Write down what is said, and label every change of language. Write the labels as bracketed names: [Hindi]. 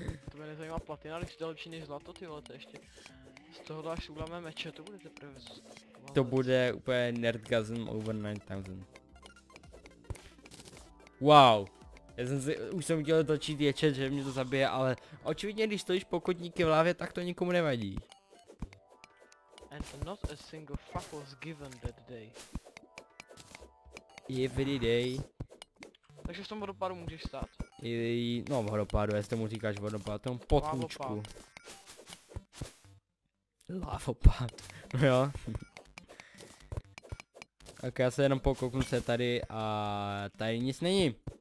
[Czech] To mě nezajímá platina, když to je lepší než zlato, ty vole, to ještě. Z toho dáš uděláme meče, to bude teprve. To bude úplně nerdgasm [English] over 9000. [Czech] Wow. Já jsem si, už jsem chtěl točit ječet, že mě to zabije, ale očividně když stojíš po kotníky v lávě, tak to nikomu nevadí. [English] And not a single fuck was given that day. Every day. [Czech] Takže v tom vodopádu můžeš stát. No v vodopádu, jestli mu říkáš vodopád, tom potůčku. Lávopád. No jo. Tak já se jenom pokouknu se tady a tady nic není.